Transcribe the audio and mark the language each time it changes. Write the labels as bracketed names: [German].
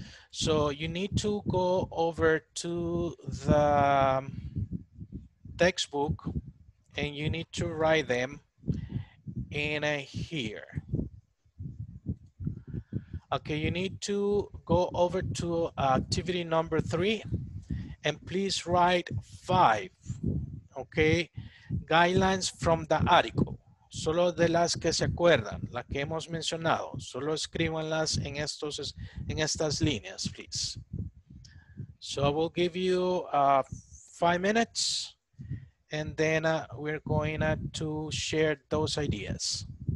[English] So you need to go over to the textbook and you need to write them in here. Okay, you need to go over to activity number three and please write five, okay, guidelines from the article. [Spanish] Solo de las que se acuerdan, las que hemos mencionado, solo escríbanlas en estas líneas, please. [English] So I will give you 5 minutes and then we're going to share those ideas.